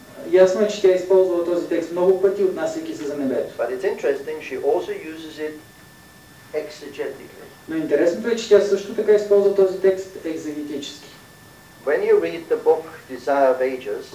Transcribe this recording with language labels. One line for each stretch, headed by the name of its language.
Bulgarian: Ясно е, че тя е използвала този текст много пъти, отнасяйки се за небето.
English: But it's interesting, she also uses it exegetically.
Bulgarian: Но интересното е, че тя също така използва този текст екзегетически.
English: When you read the book Desire of Ages,